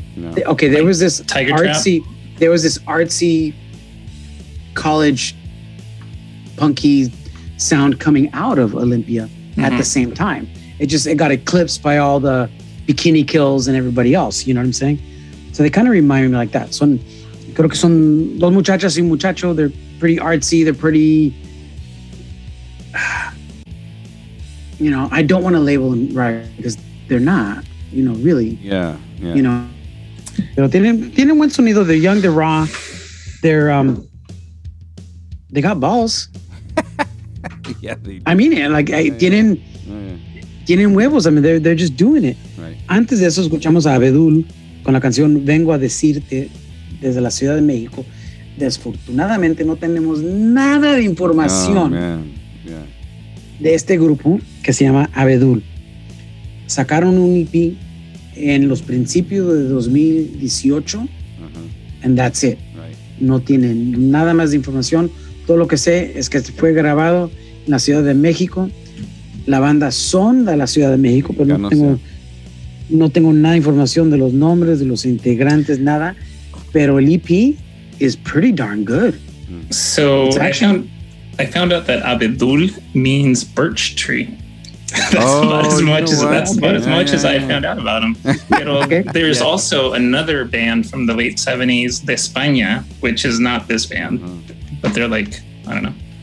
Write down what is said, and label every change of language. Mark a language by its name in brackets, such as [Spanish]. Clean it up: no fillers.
[English] No. Okay, there was this Tiger artsy... Trap? There was this artsy college punky sound coming out of Olympia, mm-hmm. at the same time. It got eclipsed by all the Bikini Kills and everybody else. You know what I'm saying? So they kind of remind me like that. [Spanish] So creo que son dos muchachas y un muchacho. [English] They're pretty artsy. They're pretty... You know, I don't want to label them right because they're not, you know, really. Yeah, yeah. You know? You know, [Spanish] tienen buen sonido. [English] They're young, they're raw, they're they got balls. Yeah, I mean it. Like, yeah, [Spanish] tienen huevos. [English] I mean, they're just doing it. Right. [Spanish] Antes de eso, escuchamos a Abedul con la canción "Vengo a decirte" desde la Ciudad de México. Desafortunadamente, no tenemos nada de información de este grupo que se llama Abedul. Sacaron un EP en los principios de 2018, uh-huh. [English] and that's it. Right. [Spanish] No tienen nada más de información. Todo lo que sé es que fue grabado en la Ciudad de México. La banda son de la Ciudad de México, pero no tengo nada de información de los nombres, de los integrantes, nada. Pero el [English] EP is pretty darn good. So I found out that Abedul means birch tree. That's about as much as I found out about them. [Spanish] Pero, okay. [English] There's also another band from the late 70s, De España, which is not this band, but they're like, I don't know.